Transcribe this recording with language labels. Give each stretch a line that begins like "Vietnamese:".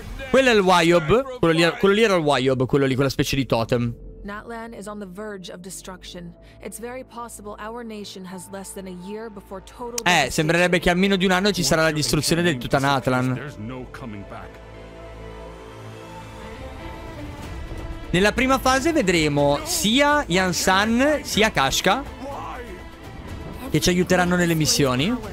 Italian: Quello è il Wyob. Quello lì era il Wyob, quello lì, quella specie di totem.
English: Natlan is on the verge of destruction. It's very possible our nation has less than a year before total destruction.
Italian: Sembrerebbe che a meno di un anno ci sarà la distruzione del tutta Natlan. Nella prima fase vedremo sia Yansan sia Kashka che ci aiuteranno nelle missioni.